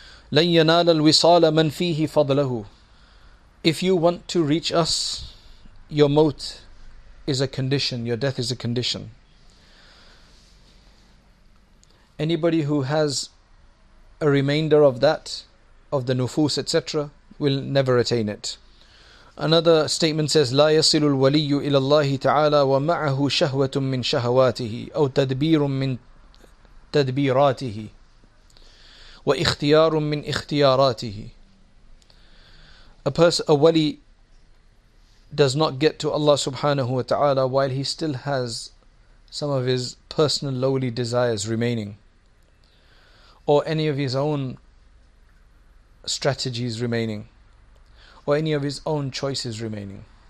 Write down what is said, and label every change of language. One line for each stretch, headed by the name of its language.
Arabic: Lan yanala al-wisala man fihi fadlahu.
English: If you want to reach us, your mawt is a condition, your death is a condition. Anybody who has a remainder of that, of the nufus, etc., will never attain it. Another statement says,
Arabic: لا يصل الولي إلى الله تعالى ومعه شهوة من شهواته أو تدبير من تدبيراته وإختيار من اختياراته. A wali
English: does not get to Allah subhanahu wa ta'ala while he still has some of his personal lowly desires remaining, or any of his own strategies remaining, or any of his own choices remaining.